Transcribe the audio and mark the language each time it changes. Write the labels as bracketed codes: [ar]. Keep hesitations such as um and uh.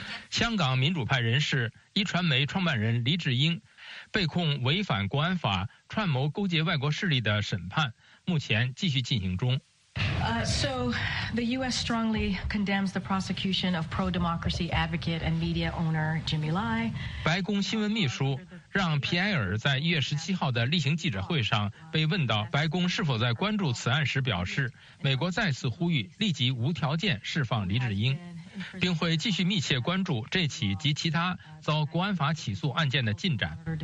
[zh] 香港民主派人士一传媒创办人黎志英。被控违反国安法串谋勾结外国势力的审判目前继续进行中。 [en] So, the U.S. strongly condemns the prosecution of pro-democracy advocate and media owner Jimmy Lai. [zh] 白宫新闻秘书让皮埃尔在一月十七号的例行记者会上被问到，白宫是否在关注此案时表示，美国再次呼吁立即无条件释放李志英。并会继续密切关注这起及其他遭国安法起诉案件的进展。